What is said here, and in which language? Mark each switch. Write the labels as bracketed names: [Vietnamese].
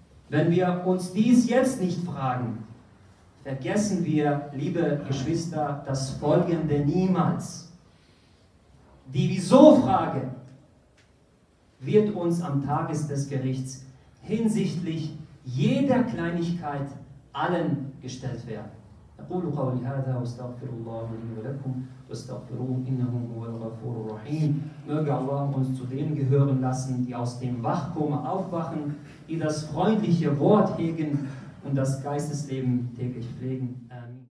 [German] Wenn wir uns dies jetzt nicht fragen, vergessen wir, liebe Geschwister, das Folgende niemals. Die Wieso-Frage wird uns am Tage des Gerichts hinsichtlich jeder Kleinigkeit allen gestellt werden. [Arabic] أقول قولي هذا واستغفر الله لي ولكم واستغفروه إنه هو الغفور الرحيم. [German] Möge Allah uns zu denen gehören lassen, die aus dem Wachkoma aufwachen, die das freundliche Wort hegen und das Geistesleben täglich pflegen. Amen.